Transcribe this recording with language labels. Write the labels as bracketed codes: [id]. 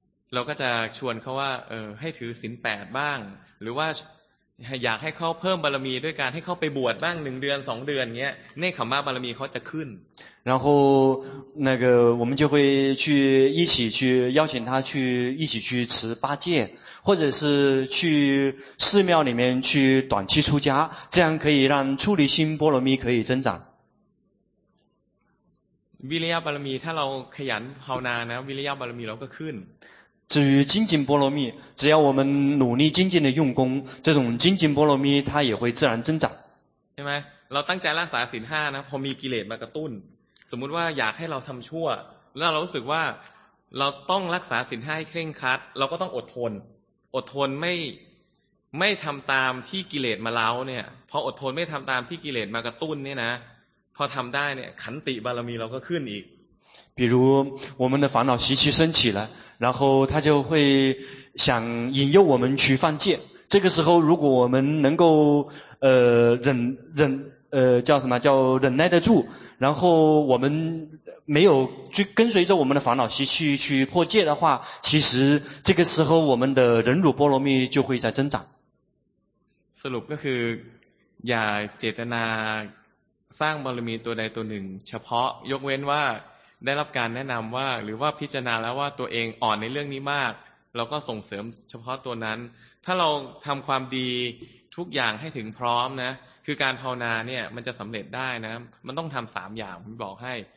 [th] เราก็จะชวนเขาว่าให้ถือศีล8บ้างหรือว่าอยากให้เขาเพิ่มบารมีด้วยการให้เขาไปบวชบ้าง1เดือน2เดือนเงี้ยเนคขัมมะบารมีเขาจะขึ้น [zh] 然后那个我们就会去一起去邀请他去一起去持八戒或者是去寺庙里面去短期出家这样可以让出离心波罗蜜可以增长 [th] วิริยะบารมีถ้าเราขยันภาวนานะวิริยะบารมีเราก็ขึ้น [zh] 至于精进波罗蜜只要我们努力精进的用功这种精进波罗蜜它也会自然增长 [th] ใช่ไหมเราตั้งใจรักษาศีล5นะพอมีกิเลสมากระตุ้นสมมุติว่าอยากให้เราทําชั่วแล้วเรารู้สึกว่าเราต้องรักษาศีล5ให้เคร่งครัดเราก็ต้องอดทนอดทนไม่ทําตามที่กิเลสมาเล้าเนี่ยพออดทนไม่ทําตามที่กิเลสมากระตุ้นเนี่ยนะพอทําได้เนี่ยขันติบารมีเราก็ขึ้นอีก [zh] 比如我们的烦恼习气升起了然后他就会想引诱我们去犯戒。这个时候如果我们能够忍耐得住然后我们没有去跟随着我们的烦恼习气去破戒的话其实这个时候我们的忍辱波罗蜜就会在增长。 [th] สรุปก็คืออย่าเจตนาสร้างบารมีตัวใดตัวหนึ่งเฉพาะยกเว้นว่าได้รับการแนะนำว่าหรือว่าพิจารณาแล้วว่าตัวเองอ่อนในเรื่องนี้มากเราก็ส่งเสริมเฉพาะตัวนั้นถ้าเราทำความดีทุกอย่างให้ถึงพร้อมนะคือการภาวนาเนี่ยมันจะสำเร็จได้นะมันต้องทำสามอย่างผมบอกให้